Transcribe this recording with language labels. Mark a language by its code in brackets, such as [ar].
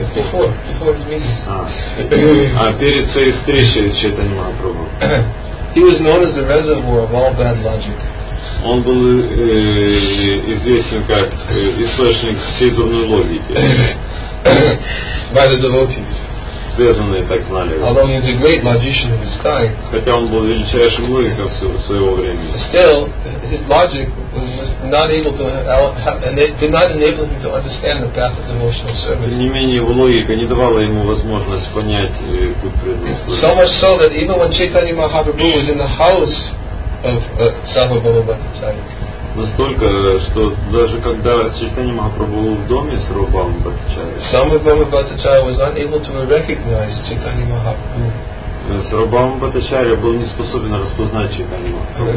[ru] Перед своей встречей с Чайтанья Махапрабху. [en] He was known as the reservoir of all bad logic. [ru] Он был известен как источник всей дурной логики. [en] By the devotees. [ru] Преданные так знали. [en] Although he was a great logician of his time. [ru] Хотя он был величайшим логиком своего времени. [en] Still, his logic was not able to, and it did not enable him to understand the path of devotional service. [ru] Тем не менее, его логика не давала ему возможность понять путь преданного служения. [en] So much so that even when Chaitanya Mahaprabhu was in the house of Sarvabhava Bhattacharya. [ru] Настолько, что даже когда Чайтанья Махапрабху был в доме с Сарвабхавом Бхаттачарьей, [en] Sarvabhava Bhattacharya was unable to recognize Chaitanya Mahaprabhu. [ru] Сарвабхава Бхаттачарья был не способен распознать Чайтанья Махапрабху.